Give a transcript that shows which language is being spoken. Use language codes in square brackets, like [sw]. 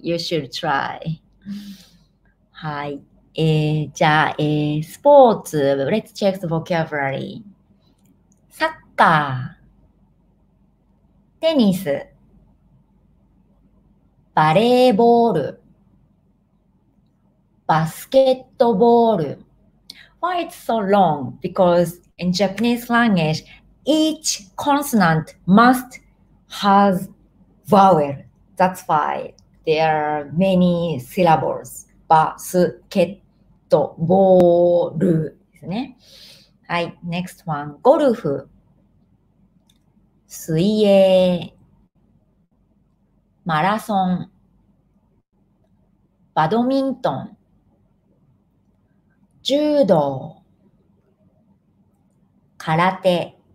[en] You should try. [ja] はい、じゃあ、スポーツ、 [en] Let's check the vocabulary. [ja] サッカー、テニス、バレーボール、バスケットボール。 [en] Why it's so long? Because in Japanese language, each consonant must has vowel. That's why there are many syllables. [ja] バスケットボールですね。 [en] はい、next one。 [ja] ゴルフ、水泳、マラソン、バドミントン、柔道、空手。